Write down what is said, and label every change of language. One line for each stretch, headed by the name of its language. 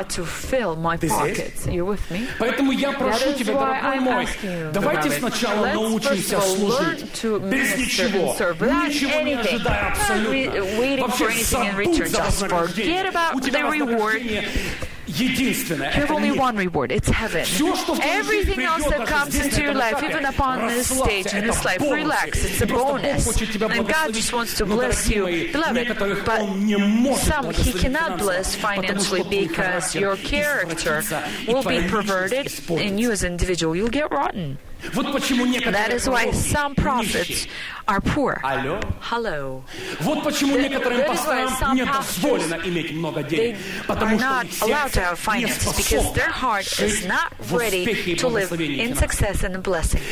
Russian: Ты здесь? Поэтому я прошу тебя, дорогой мой, давайте сначала научимся служить без ничего, ничего не ожидая абсолютно. Вообще забудь за вознаграждение. У тебя вознаграждение... Единственное,
English: you have only one reward. It's heaven. Everything else that comes into your life, even upon this stage in this life, relax. It's a bonus. And God just wants to bless you, beloved. But some He cannot bless financially because your character will be perverted in you as an individual. You'll get rotten. That is why some prophets are poor.
Russian: Алло.
English: Hello.
Russian: Вот почему некоторым пасторам не позволено иметь много денег, потому что их сердце не способно
English: because their heart is not ready to live in success and blessing.